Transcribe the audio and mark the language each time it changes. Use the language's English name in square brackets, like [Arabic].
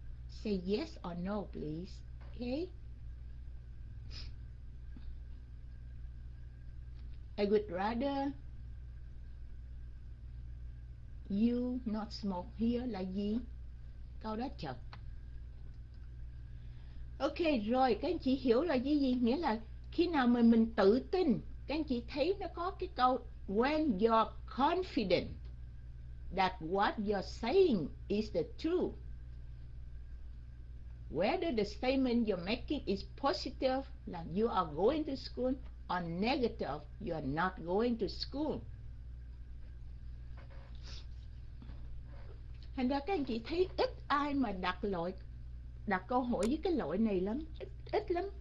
[English] Say yes or no, please. Okay? I would rather you not smoke here, [Vietnamese] là gì? Câu đó chật. Ok, rồi, các anh chị hiểu là gì gì? Nghĩa là khi nào mà mình tự tin, các anh chị thấy nó có cái câu [English] when you're confident that what you're saying is the truth, whether the statement you're making is positive, like you are going to school, or negative, you're not going to school. [Vietnamese] Thành ra các anh chị thấy ít ai mà đặt câu hỏi với cái loại này lắm, ít lắm.